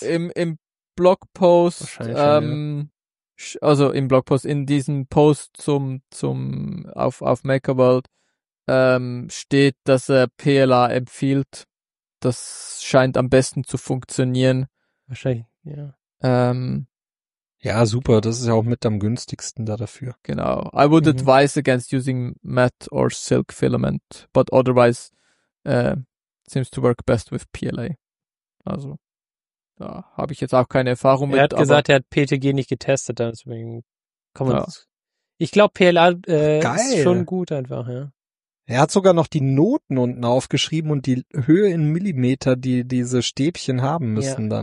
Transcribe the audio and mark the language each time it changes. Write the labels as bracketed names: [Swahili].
[German] Im Blogpost, im Blogpost, in diesem Post auf Makerworld, steht, dass er PLA empfiehlt. Das scheint am besten zu funktionieren. Wahrscheinlich, ja. Ja, super, das ist ja auch mit am günstigsten da dafür. Genau. [English] I would advise against using matte or silk filament, but otherwise seems to work best with PLA. [German] Also. Da habe ich jetzt auch keine Erfahrung mit. Er hat gesagt, er hat PETG nicht getestet, deswegen kann man Ich glaube, PLA ist schon gut einfach, ja. Er hat sogar noch die Noten unten aufgeschrieben und die Höhe in Millimeter, die diese Stäbchen haben müssen dann.